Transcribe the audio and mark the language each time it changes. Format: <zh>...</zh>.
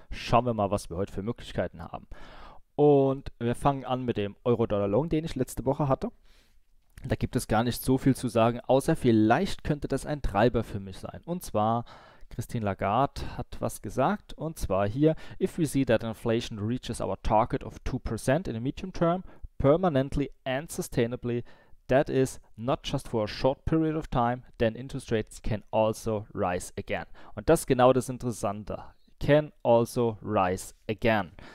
<de>Schauen wir mal, was wir heute für Möglichkeiten haben. Und wir fangen an mit dem Euro-Dollar-Long, den ich letzte Woche hatte. Da gibt es gar nicht so viel zu sagen, außer vielleicht könnte das ein Treiber für mich sein. Und zwar, Christine Lagarde hat was gesagt, und zwar hier,</de> <en>if we see that inflation reaches our target of 2% in the medium term, permanently and sustainably, that is not just for a short period of time, then interest rates can also rise again.</en> <de>Und das ist genau das Interessante.</de> <en>Can also rise again.</en>